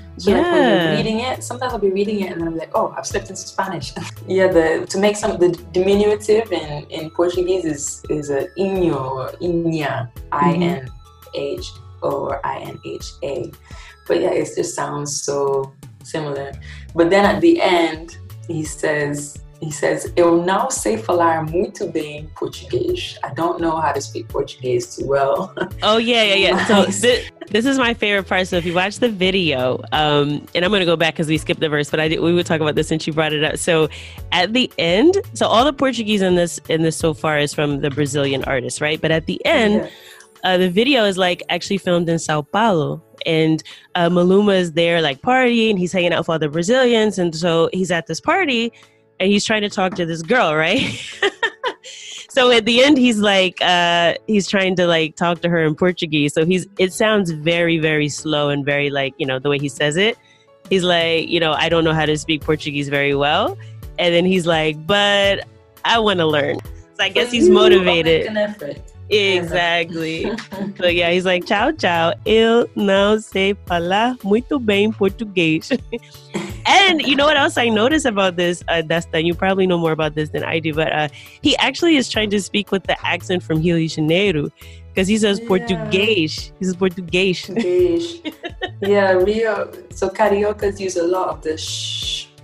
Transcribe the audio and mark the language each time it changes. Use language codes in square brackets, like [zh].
[en] So yeah. Like when you're reading it, sometimes I'll be reading it and I'm like, oh, I've slipped into Spanish. Yeah, the diminutive in Portuguese is a inho or inha, I-N-H or I-N-H-A. But yeah, it just sounds so similar. But then at the end, he says, [pt] eu não sei falar muito bem português. [en] I don't know how to speak Portuguese too well. Oh, yeah. So this is my favorite part. So if you watch the video, and I'm going to go back because we skipped the verse, but we would talk about this since you brought it up. So at the end, so all the Portuguese in this so far is from the Brazilian artist, right? But at the end, yeah. The video is like actually filmed in Sao Paulo. And Maluma is there like partying. He's hanging out with all the Brazilians. And so he's at this party and he's trying to talk to this girl, right? So at the end, he's like, he's trying to like talk to her in Portuguese. So it sounds very, very slow and very like, you know, the way he says it. He's like, you know, I don't know how to speak Portuguese very well. And then he's like, but I want to learn. So I guess he's motivated. I'll make an effort. Exactly. So yeah, he's like, ciao, ciao. [pt] Eu não sei falar muito bem português. [en] And you know what else I notice about this, Destin? You probably know more about this than I do, but he actually is trying to speak with the accent from Rio de Janeiro, because he says português. He says português. Yeah, Rio. So cariocas use a lot of the shh.